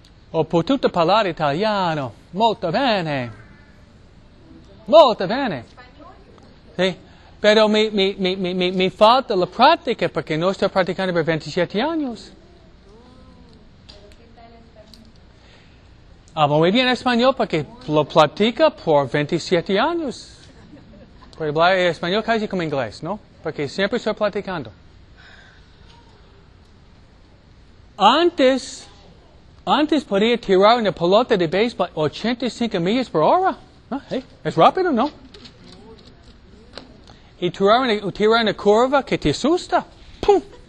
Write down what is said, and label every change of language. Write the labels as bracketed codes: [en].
[it] Ho potuto parlare italiano. Molto bene. Molto bene. Sì. Però [es] mi falta [it] la pratica perché non sto praticando per 27 anni. [es] Hablo muy bien español [it] perché lo pratico [es] por 27 [it] anni. Puoi parlare español casi come inglese, no? Perché sempre sto praticando. [es] Antes podía tirar una pelota de béisbol 85 millas por hora. ¿Eh? ¿Es rápido o no? Y tirar una curva que te asusta. ¡Pum!